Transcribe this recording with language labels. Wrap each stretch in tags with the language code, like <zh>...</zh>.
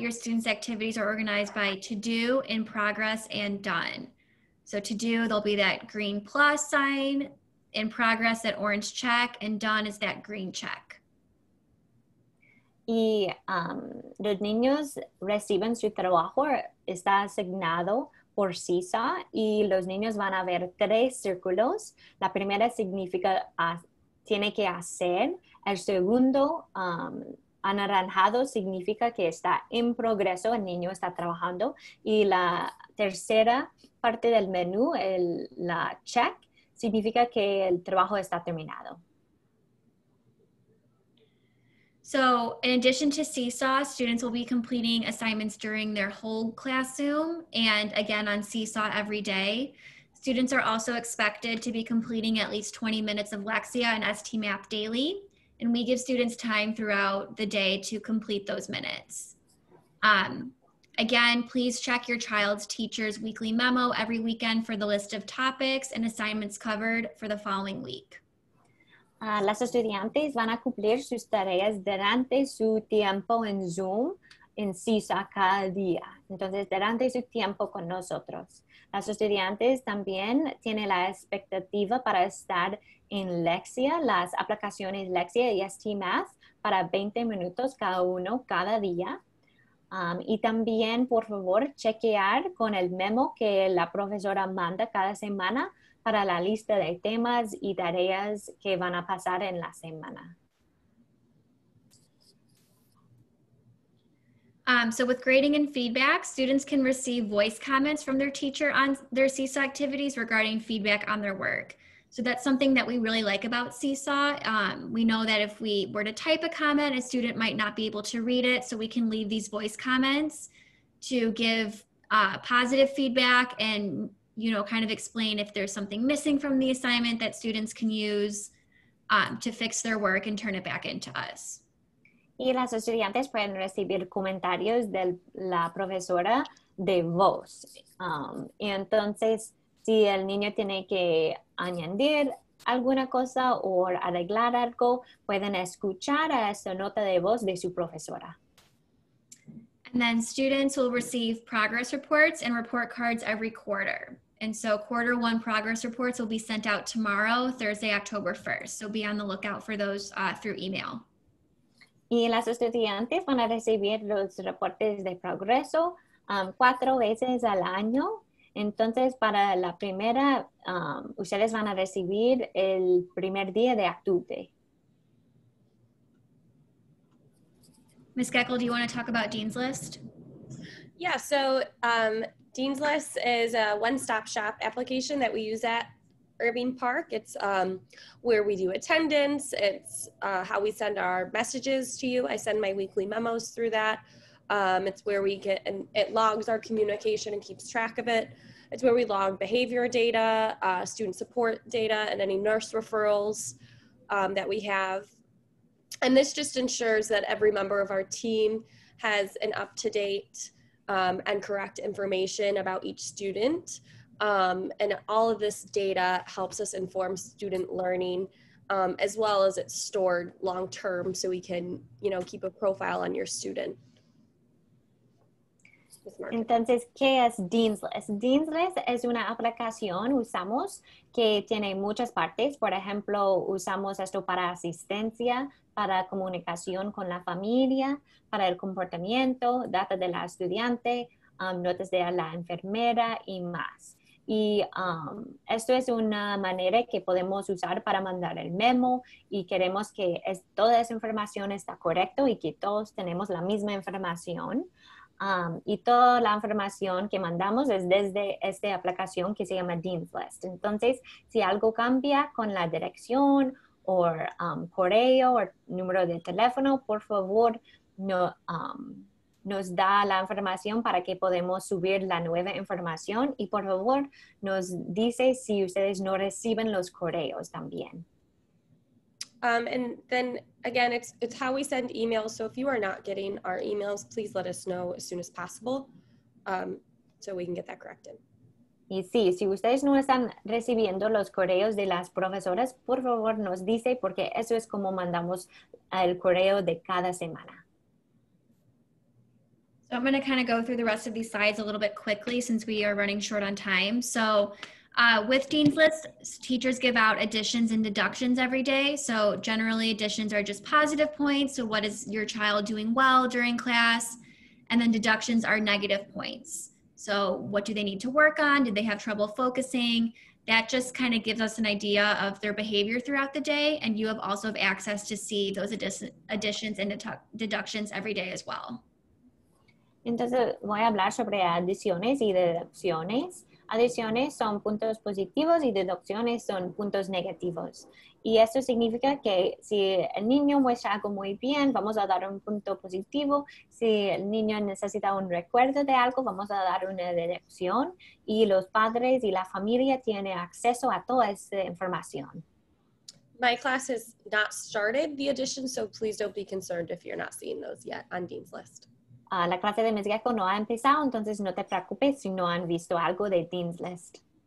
<en>Your students' activities are organized by to do, in progress, and done. So to do, there'll be that green plus sign, in progress, that orange check, and done is that green check.</en> <es>Y los niños reciben su trabajo, está asignado por CISA, y los niños van a ver tres círculos. La primera significa tiene que hacer. El segundo, anaranjado, significa que está en progreso, el niño está trabajando. Y la tercera parte del menú, la check, significa que el trabajo está terminado.</es> <en>So, in addition to CISA, students will be completing assignments during their whole classroom and again on CISA every day. Students are also expected to be completing at least 20 minutes of Lexia and STMAP daily. And we give students time throughout the day to complete those minutes. Again, please check your child's teacher's weekly memo every weekend for the list of topics and assignments covered for the following week.</en> <es>Las estudiantes van a cumplir sus tareas durante su tiempo en Zoom en CISA cada día. Entonces, durante su tiempo con nosotros. Las estudiantes también tienen la expectativa para estar en Lexia, las aplicaciones Lexia y STMath para 20 minutos cada uno cada día. Y también, por favor, chequear con el memo que la profesora manda cada semana para la lista de temas y tareas que van a pasar en la semana.</es> <en>So with grading and feedback, students can receive voice comments from their teacher on their CISA activities regarding feedback on their work. So that's something that we really like about CISA. We know that if we were to type a comment, a student might not be able to read it. So we can leave these voice comments to give positive feedback and, you know, kind of explain if there's something missing from the assignment that students can use to fix their work and turn it back into us.</en> <es>Y las estudiantes pueden recibir comentarios de la profesora de voz. Y entonces, si el niño tiene que añadir alguna cosa o arreglar algo, pueden escuchar esa nota de voz de su profesora.</es> <en>And then students will receive progress reports and report cards every quarter. And so quarter one progress reports will be sent out tomorrow, Thursday, October 1st. So be on the lookout for those through email.</en> <es>Y las estudiantes van a recibir los reportes de progreso cuatro veces al año. Entonces, para la primera, ustedes van a recibir el primer día de octubre.</es> <en>Ms. Geckel, do you want to talk about Dean's List? Yeah, so Dean's List is a one-stop shop application that we use at Irving Park. It's where we do attendance. It's how we send our messages to you. I send my weekly memos through that. It's where we get, and it logs our communication and keeps track of it. It's where we log behavior data, student support data, and any nurse referrals that we have. And this just ensures that every member of our team has an up-to-date and correct information about each student. And all of this data helps us inform student learning as well as it's stored long-term so we can, you know, keep a profile on your student.</en> <es>Entonces, ¿qué es Dean's List? Dean's List es una aplicación usamos que tiene muchas partes. Por ejemplo, usamos esto para asistencia, para comunicación con la familia, para el comportamiento, data de la estudiante, notas de la enfermera y más. Y esto es una manera que podemos usar para mandar el memo y queremos que toda esa información está correcta y que todos tenemos la misma información. Y toda la información que mandamos es desde esta aplicación que se llama Dean's List. Entonces, si algo cambia con la dirección o correo o número de teléfono, por favor, no, nos da la información para que podamos subir la nueva información y por favor nos dice si ustedes no reciben los correos también.</es> <en>And then again, it's how we send emails. So if you are not getting our emails, please let us know as soon as possible so we can get that corrected.</en> <es>Y sí, si ustedes no están recibiendo los correos de las profesoras, por favor nos dice porque eso es como mandamos el correo de cada semana.</es> <en>So I'm going to kind of go through the rest of these slides a little bit quickly since we are running short on time. So with Dean's List, teachers give out additions and deductions every day. So generally additions are just positive points. So what is your child doing well during class? And then deductions are negative points. So what do they need to work on? Did they have trouble focusing? That just kind of gives us an idea of their behavior throughout the day. And you have also have access to see those additions and deductions every day as well.</en> <es>Entonces, voy a hablar sobre adiciones y deducciones. Adiciones son puntos positivos y deducciones son puntos negativos. Y esto significa que si el niño muestra algo muy bien, vamos a dar un punto positivo. Si el niño necesita un recuerdo de algo, vamos a dar una deducción. Y los padres y la familia tienen acceso a toda esta información.</es> <en>My class has not started the addition, so please don't be concerned if you're not seeing those yet on Dean's List.</en> <es>La clase de Mesgeco no ha empezado, entonces no te preocupes si no han visto algo de Dean's List.</es>